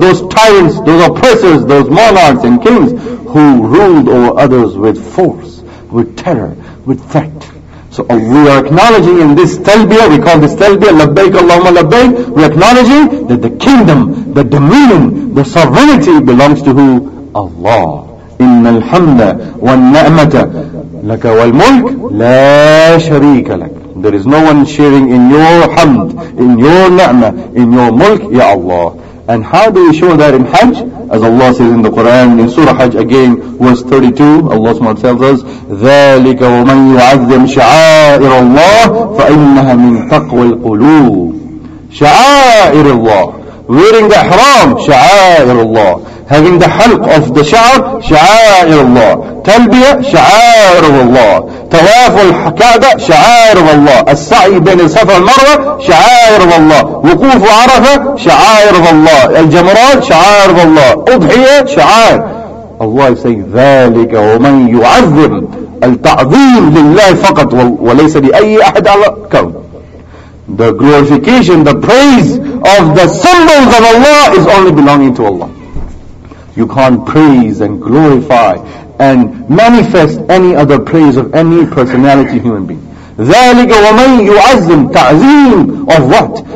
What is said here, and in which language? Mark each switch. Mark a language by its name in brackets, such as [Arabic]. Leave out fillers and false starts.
[English] Those tyrants, those oppressors, those monarchs and kings who ruled over others with force, with terror, with threat. So we are acknowledging in this talbiyah, we call this talbiyah, [Arabic] لبيك اللهم لبيك. [English] We are acknowledging that the kingdom, the dominion, the sovereignty belongs to who? Allah. [Arabic] إن الحمد والنعمة لك والملك لا شريك لك. [English] There is no one sharing in your hamd, in your ni'mah, in your mulk, ya Allah. And how do we show that in Hajj? As Allah says in the Quran, in Surah Hajj again, verse 32, Allah SWT tells us, [Arabic] ذلك ومن يعظم شعائر الله فإنها من تقوى القلوب. شعائر الله. [English] Wearing the ihram, [Arabic] شعائر الله. [English] Having the halq of the sha'ar, شعائر الله. [Arabic] Talbiyah, شعائر الله. Tawaf al-Kaaba, شعائر الله. As-sa'i bin al-Safa al-Marwa, شعائر الله. Wukuf al-Arafah, شعائر الله. Al-Jamarat, شعائر الله. Udhiyah, شعائر. [English] Allah is saying, [Arabic] ذلك ومن يعظم التعظيم لله فقط وليس لأي أحد على الكون. [English] The glorification, the praise of the symbols of Allah is only belonging to Allah. You can't praise and glorify and manifest any other praise of any personality human being. [Arabic] ذَلِكَ وَمَنْ يُعَزِّمْ تَعْزِيمْ. [English] Of what?